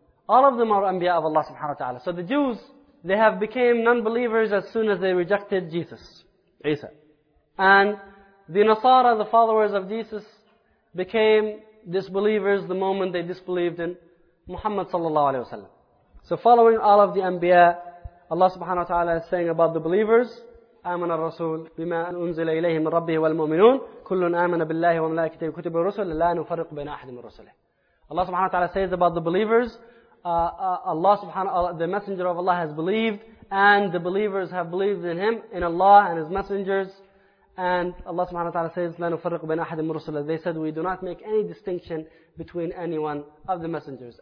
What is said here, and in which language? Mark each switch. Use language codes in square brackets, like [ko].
[en] All of them are anbiya of Allah subhanahu wa ta'ala. So the Jews, they have become non-believers as soon as they rejected Jesus, Isa. And the Nasara, the followers of Jesus, became disbelievers the moment they disbelieved in Muhammad sallallahu alayhi wa sallam. So following all of the anbiya, Allah subhanahu wa ta'ala is saying about the believers, [ar] آمن الرسول بما أنزل إليه من ربه والمؤمنون كل آمن بالله وملائكته وكتبه ورسله لا نفرق بين أحد من رسله. [en] Allah subhanahu wa ta'ala says about the believers, Allah subhanahu, the messenger of Allah has believed and the believers have believed in him, in Allah and his messengers. And Allah subhanahu wa ta'ala says [ar] لا نفرق بين أحد من رسله. [en] They said we do not make any distinction between anyone of the messengers.